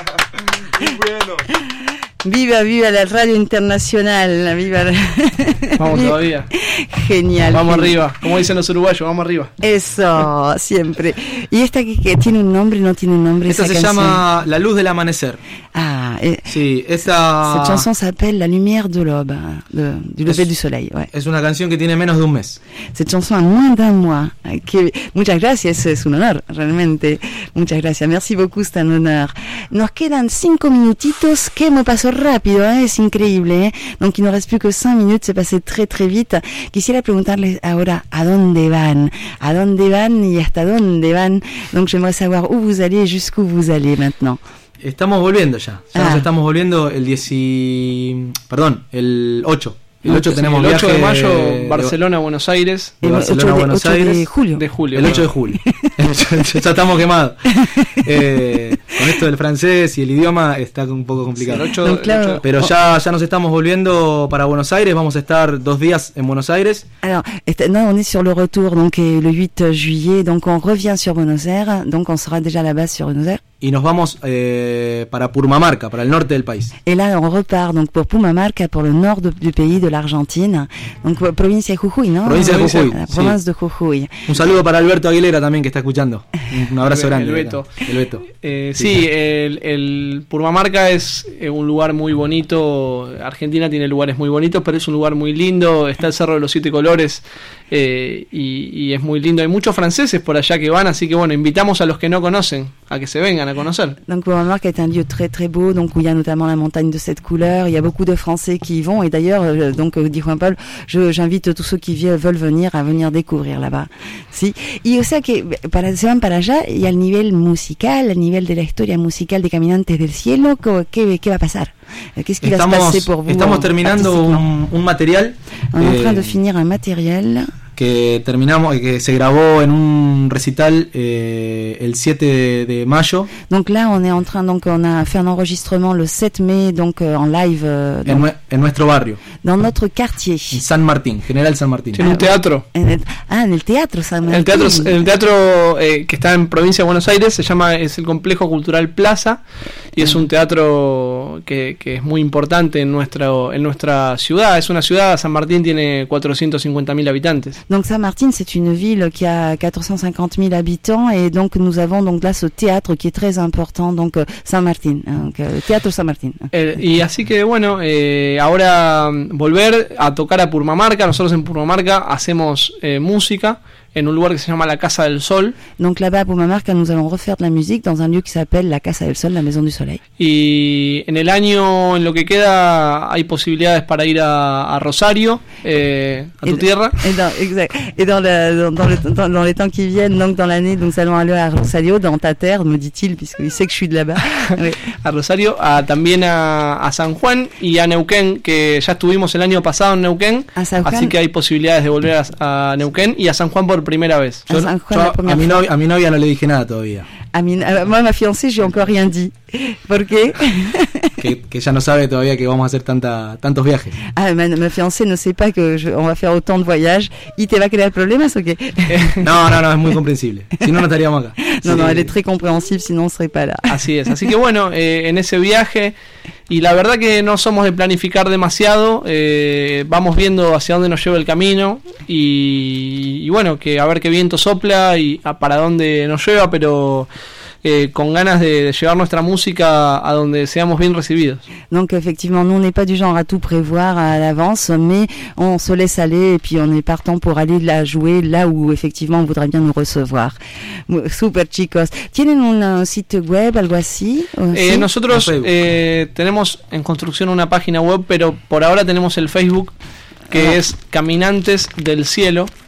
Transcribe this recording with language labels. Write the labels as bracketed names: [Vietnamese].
[Spanish] Bueno. ¡Viva la radio internacional! ¡Viva! Vamos todavía. Genial. Vamos arriba. Como dicen los uruguayos, vamos arriba. Eso, siempre. ¿Y esta que tiene un nombre, no tiene un nombre? Esta se llama La Luz del Amanecer. Ah, sí, esta. [French] Cette chanson s'appelle La Lumière de l'Aube, du lever du soleil. Ouais. [Spanish] Es una canción que tiene menos de un mes. [French] Cette chanson a moins d'un mois. [Spanish] Muchas gracias, es un honor, realmente. Muchas gracias. [French] Merci beaucoup, c'est un honor. [Spanish] Nos quedan cinco minutitos. ¿Qué me pasó rápido, ¿eh? Es increíble, ¿eh? [French] Donc il nous reste plus que 5 minutes, c'est passé très très vite. [Spanish] Quisiera preguntarles ahora à dónde van, à dónde van y hasta dónde van. [French] Donc j'aimerais savoir où vous allez et jusqu'où vous allez maintenant. [Spanish] Estamos volviendo ya. Estamos volviendo el 8. El 8 tenemos viaje. El 8 de mayo, Barcelona, Buenos Aires. El 8 de julio. Ya estamos quemados. Con esto del francés y el idioma está un poco complicado. Pero ya nos estamos volviendo para Buenos Aires. Vamos a estar 2 días en Buenos Aires. [French] On est sur le retour, donc le 8 juillet. Donc on revient sur Buenos Aires. Donc on sera déjà là-bas sur Buenos Aires. [Spanish] Y nos vamos para Purmamarca, para el norte del país. [French] Et là, on repart donc pour Purmamarca, pour le nord du pays, de l'Argentine. [Spanish] Donc, provincia de Jujuy, ¿no? Provincia de Jujuy. [French] La province de Jujuy. [Spanish] Un saludo para Alberto Aguilera también, que está escuchando. Un abrazo grande. El Beto. El Purmamarca es un lugar muy bonito. Argentina tiene lugares muy bonitos, pero es un lugar muy lindo. Está el Cerro de los Siete Colores. Y es muy lindo. Hay muchos franceses por allá que van, así que bueno, invitamos a los que no conocen a que se vengan a conocer. [French] Donc Purmamarca est un lieu très très beau, donc où il y a notamment la montagne de cette couleur. Il y a beaucoup de Français qui y vont, et d'ailleurs, donc dit Juan Pablo, j'invite tous ceux qui veulent venir à venir découvrir là-bas. [Spanish] Sí. Y o sea que se van para allá y al nivel musical, al nivel de la historia musical de Caminantes del Cielo, ¿qué va a pasar? Estamos terminando un material. [French] En train de finir un material [Spanish] que terminamos, que se grabó en un recital el 7 de mayo. [French] Donc là on est en train, donc on a fait un enregistrement le 7 mai, donc en live [Spanish] en nuestro barrio. [French] Dans notre quartier. [Spanish] En San Martín, General San Martín. En un teatro. En el teatro San Martín. El teatro que está en provincia de Buenos Aires es el Complejo Cultural Plaza y es un teatro que es muy importante en nuestra ciudad. Es una ciudad, San Martín tiene 450.000 habitantes. [French] Donc Saint-Martin, c'est une ville qui a 450 000 habitants et donc nous avons donc là ce théâtre qui est très important, donc Saint-Martin, Théâtre Saint-Martin. [Spanish] Et así que bueno, ahora volver a tocar a Purmamarca. Nosotros en Purmamarca hacemos música en un lugar que se llama la Casa del Sol. [French] Donc là-bas à Purmamarca, nous allons refaire de la musique dans un lieu qui s'appelle la Casa del Sol, la Maison du Soleil. [Spanish] Y en el año, en lo que queda, hay posibilidades para ir a Rosario, a tu tierra. [French] Dans les temps qui viennent, donc dans l'année, nous allons aller à Rosario, dans ta terre, me dit-il, puisqu'il sait que je suis de là-bas. Oui. [Spanish] À Rosario, también a San Juan y a Neuquén, que ya estuvimos el año pasado en Neuquén. [French] À San Juan. [Spanish] Así que hay posibilidades de volver a Neuquén y a San Juan por primera vez. A mi novia no le dije nada todavía. A mi [French] fiancée, j'ai encore rien dit. [Spanish] ¿Por qué? Que ya no sabe todavía que vamos a hacer tantos viajes. [French] Ah, ma fiancée no sait pas que on va faire autant de voyages. [Spanish] ¿Y te va a crear problemas o qué? No, es muy comprensible. Si no, no estaríamos acá. [French] No, elle est très compréhensible, sinon on ne serait pas là. [Spanish] Así es. Así que bueno, en ese viaje, y la verdad que no somos de planificar demasiado, vamos viendo hacia dónde nos lleva el camino y bueno, que a ver qué viento sopla y para dónde nos lleva, pero con ganas de llevar nuestra música a donde seamos bien recibidos. [French] Donc effectivement, nous on n'est pas du genre à tout prévoir à l'avance, mais on se laisse aller et puis on est partant pour aller la jouer là où effectivement on voudrait bien nous recevoir. [Spanish] Super chicos. ¿Tienen un site web, algo así? Nosotros tenemos en construcción una página web, pero por ahora tenemos el Facebook, que es Caminantes del Cielo.